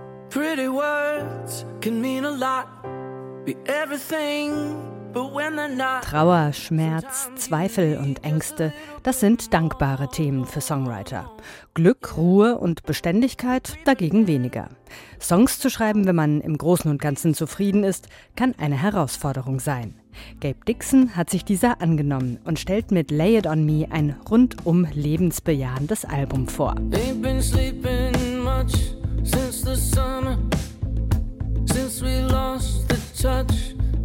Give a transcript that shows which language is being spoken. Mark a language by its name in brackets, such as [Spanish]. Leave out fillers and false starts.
[English] Pretty words can mean a lot, be everything. [German] Trauer, Schmerz, Zweifel und Ängste, das sind dankbare Themen für Songwriter. Glück, Ruhe und Beständigkeit dagegen weniger. Songs zu schreiben, wenn man im Großen und Ganzen zufrieden ist, kann eine Herausforderung sein. Gabe Dixon hat sich dieser angenommen und stellt mit Lay It On Me ein rundum lebensbejahendes Album vor. [English] Ain't been sleeping much since the summer, since we lost the touch.